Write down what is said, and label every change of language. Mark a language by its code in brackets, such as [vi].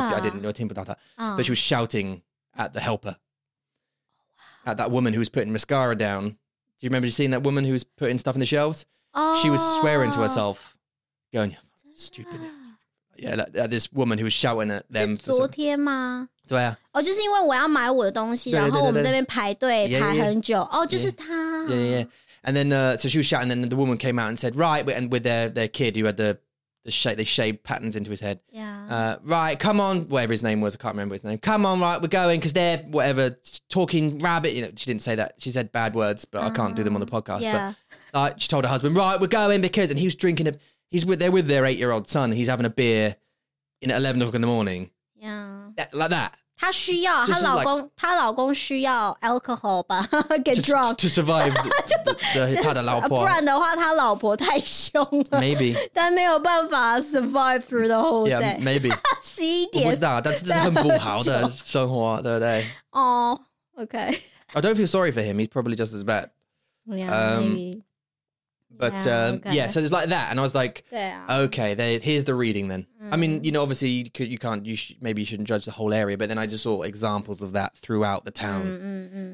[en] But she was shouting at the helper, at that woman who was putting mascara down. Do you remember seeing that woman who was putting stuff in the shelves? She was swearing to herself, going, stupid. Yeah, like, this woman who was shouting at them. [zh] 是昨天吗? 对啊。哦，就是因为我要买我的东西，然后我们这边排队排很久。哦，就是她。 [en] Yeah, yeah. And then, so she was shouting, and then the woman came out and said, right, and with their kid who had the shaved patterns into his head. Yeah. Right, come on, whatever his name was, I can't remember his name. Come on, right, we're going, because they're, whatever, talking rabbit. You know, she didn't say that. She said bad words, but I can't do them on the podcast. Yeah. But she told her husband, right, we're going, because, and he was drinking, they're with their 8-year-old son. He's having a beer in 11 o'clock in the morning. Yeah. Like that. [zh] 她需要，她老公需要 alcohol 吧， [en] get drunk to survive. [zh] 就她的老婆，不然的话，她老婆太凶了。 [en] Maybe， [zh] 但没有办法 survive through the whole day. [en] Yeah, maybe. [zh] 十一点，我不知道，但是这是很不好的生活，对不对？哦， OK. [en] I don't feel sorry for him. He's probably just as bad. Yeah, maybe. But yeah, so it's like that, and I was like, okay, here's the reading then. I mean, you know, obviously maybe you shouldn't judge the whole area, but then I just saw examples of that throughout the town.